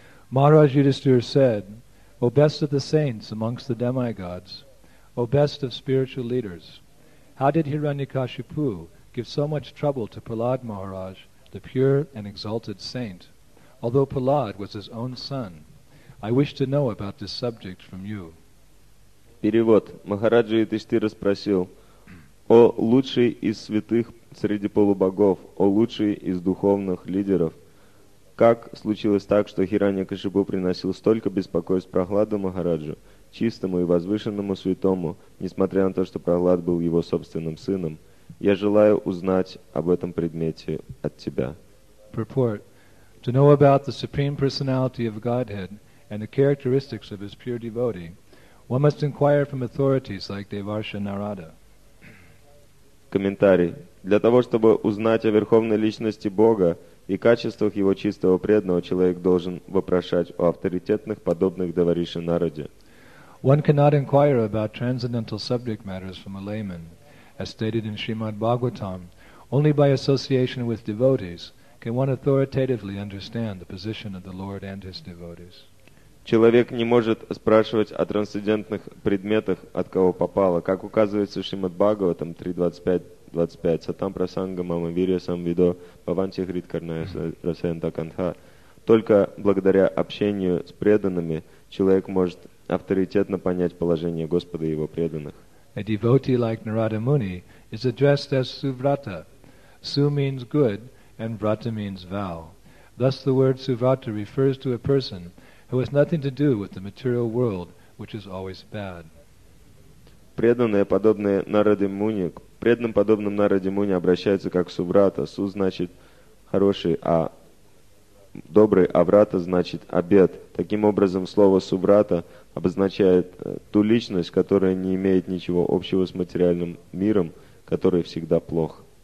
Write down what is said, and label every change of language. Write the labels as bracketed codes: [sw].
[en] Maharaj Yudhisthira said, O best of the saints amongst the demigods, O best of spiritual leaders, how did Hiranyakashipu give so much trouble to Prahlad Maharaj, the pure and exalted saint? Although Prahlad was his own son, I wish to know about this subject from you. [ru] Перевод. Махараджа Юдхиштхира спросил: О лучший из святых среди полубогов, о лучший из духовных лидеров, как случилось так, что Хираньякашипу приносил столько беспокойств Прахладу Махараджу, чистому и возвышенному святому, несмотря на то, что Прахлад был его собственным сыном? Я желаю узнать об этом предмете от тебя. [en] Purport. To know about the Supreme Personality of Godhead and the characteristics of His pure devotee, one must inquire from authorities like Devarsha Narada. [ru] Комментарий. Для того, чтобы узнать о Верховной Личности Бога и качествах Его чистого преданного, человек должен вопрошать у авторитетных, подобных Деварши Нараде. [en] One cannot inquire about transcendental subject matters from a layman, as stated in Srimad Bhagavatam, only by association with devotees, can one authoritatively understand the position of the Lord and His devotees? [ru] Человек не может спрашивать о трансцендентных предметах, от кого попало. Как указывается в Шримад Бхагаватам 3.25.25, [sa] Сатам Прасанга Мамавирья Самвидо Паванти Хриткарная Расаянта Канха. [ru] Только благодаря общению с преданными человек может авторитетно понять положение Господа и Его преданных. [en] A devotee like Narada Muni is addressed as Suvrata. Su means good, and vrata means vow. Thus the word suvrata refers to a person who has nothing to do with the material world, which is always bad. [ru] преданные, подобные Нараде Муни, к преданным, подобным Нараде Муни, обращаются как к субрата. Су значит хороший, а добрый, а врата значит обет. Таким образом, слово субрата обозначает ту личность, которая не имеет ничего общего с материальным миром, который всегда плох.